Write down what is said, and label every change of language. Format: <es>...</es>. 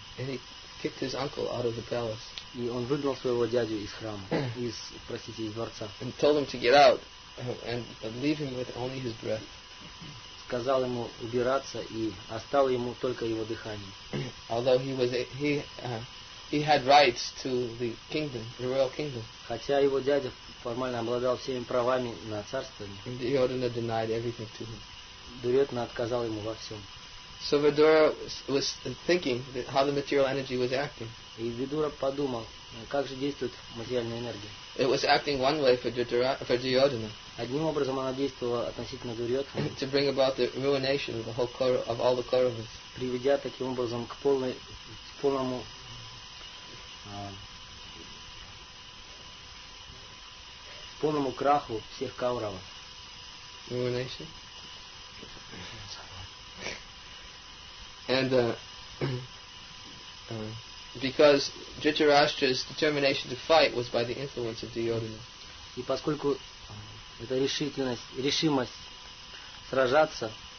<en>And he kicked his uncle out of the palace.</en> <ru>И он выгнал своего дядю из храма, из дворца.</ru> <en>And told him to get out. And leave him with only his breath.</en> <ru>Сказал ему убираться и оставил ему только его дыхание.</ru> <en>Although he had rights to the kingdom, the royal kingdom.</en> <ru>Хотя его дядя формально обладал всеми правами на царствование.</ru> <en>And Duryodhana denied everything to him.</en> <ru>Дурьотхана отказал ему во всем.</ru> <en>So Vidura was thinking that how the material energy was acting.</en> <ru>И Видура подумал, как же действует материальная энергия.</ru> <en>It was acting one way for Duryodhana.</en> <ru>Одним образом она действовала относительно Дурьотхана.</ru> <en>To bring about the ruination of the whole of all the Kauravas.</en> <ru>Приведя таким образом к полному полному краху всех Каурава.</ru> <en>Ruination. And because Dhritarashtra's determination to fight was by the influence of Duryodhana.</en> <ru>И поскольку эта решимость сражаться,</ru>